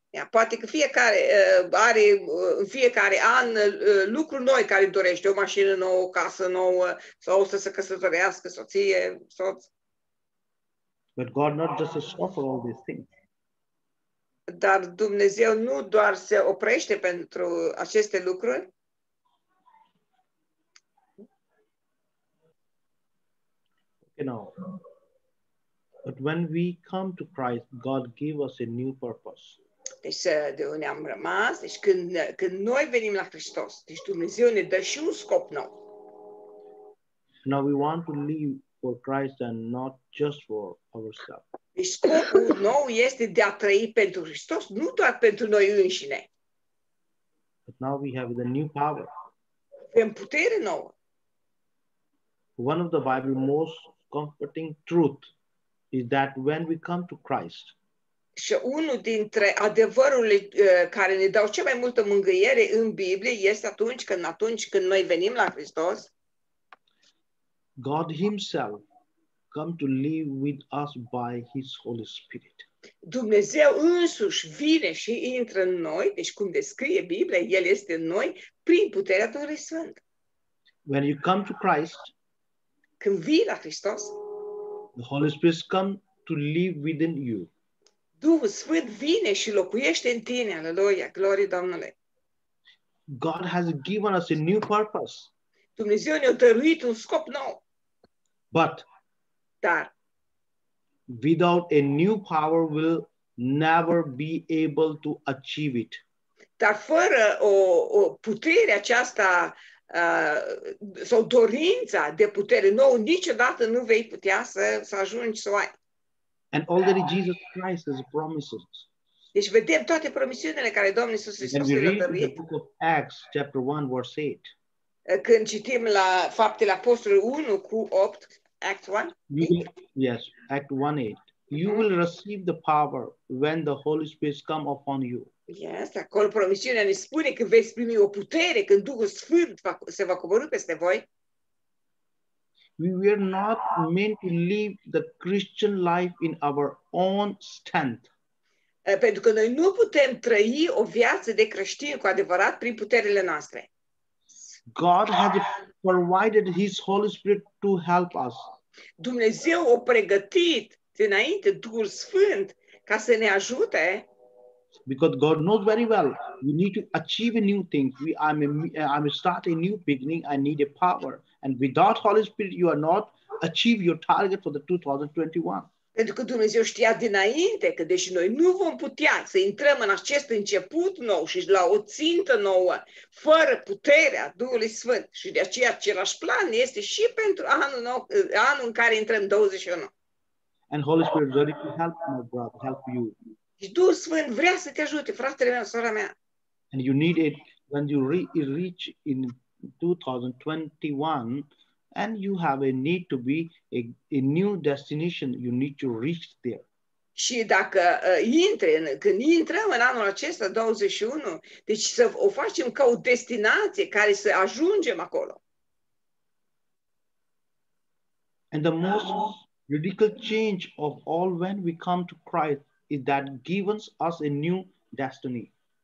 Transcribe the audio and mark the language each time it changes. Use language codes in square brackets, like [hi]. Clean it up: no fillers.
[ro] Poate că fiecare are în fiecare an lucruri noi care dorește, o mașină nouă, o casă nouă, sau să se căsătorească, soție, soț. [en] But God not just suffer all these things. [ro] Dar Dumnezeu nu doar se oprește pentru aceste lucruri. [en] You know. But when we come to Christ, God give us a new purpose. [ro] Deci de unde am rămas, deci când noi venim la Hristos, deci Dumnezeu ne dă și un scop nou. [en] Now we want to live for Christ and not just for ourselves. [ro] Deci scopul nou este de a trăi pentru Hristos, nu doar pentru noi înșine. [en] But now we have the new power. [ro] Avem putere nouă. [en] One of the Bible's most comforting truth is that when we come to Christ. [ro] Și unul dintre adevărurile care ne dau cea mai multă mângâiere în Biblie este atunci când noi venim la Hristos. [en] God himself come to live with us by his Holy Spirit. [ro] Dumnezeu însuși vine și intră în noi, deci cum descrie Biblia, el este în noi prin puterea Duhului Sfânt. [en] When you come to Christ, [ro] când vii la Hristos, [en] the Holy Spirit come to live within you. [ro] Duhul Sfânt vine și locuiește în tine, aleluia, glorie Domnului. [en] God has given us a new purpose. [ro] Dumnezeu ne-a dăruit un scop nou. [en] But [ro] dar [en] without a new power will never be able to achieve it. [ro] Dar fără o putere aceasta sau dorința de putere nouă, niciodată nu vei putea să ajungi să o ai. [en] And already Jesus Christ has promised us. [ro] Deci vedem toate promisiunile care Domnul Iisus Hristos ne-a dăruit. [en] In the book of Acts, chapter 1, verse 8. [ro] Când citim la Faptele Apostolului 1 cu 8, Act 1? [en] Yes, Act 1, 8. You will receive the power when the Holy Spirit comes upon you. [ro] Yes, acolo promisiunea ne spune că veți primi o putere când Duhul Sfânt se va coborî peste voi. [en] We were not meant to live the Christian life in our own strength. [ro] Pentru că noi nu putem trăi o viață de creștin cu adevărat prin puterile noastre. [en] God has provided his Holy Spirit to help us. [ro] Dumnezeu a pregătit dinainte Duhul Sfânt ca să ne ajute. [en] Because God knows very well, we need to achieve a new thing. I'm start a new beginning. I need a power. And without Holy Spirit, you are not achieve your target for the 2021. [ro] Pentru că Dumnezeu știa dinainte că deși noi nu vom putea să intrăm în acest început nou și la o țintă nouă, fără puterea Duhului Sfânt. Și de aceea același plan este și pentru anul nou, anul în care intrăm 21. [en] And Holy Spirit ready to help my brother, help you. [ro] Și Duhul Sfânt vrea să te ajute, fratele meu, sora mea. [en] And you need it when you reach in 2021 and you have a need to be a new destination, you need to reach there. [ro] Și dacă când intrăm în anul acesta 21, deci să o facem ca o destinație care să ajungem acolo. [en] And the most radical change of all when we come to Christ is that gives us a new destiny.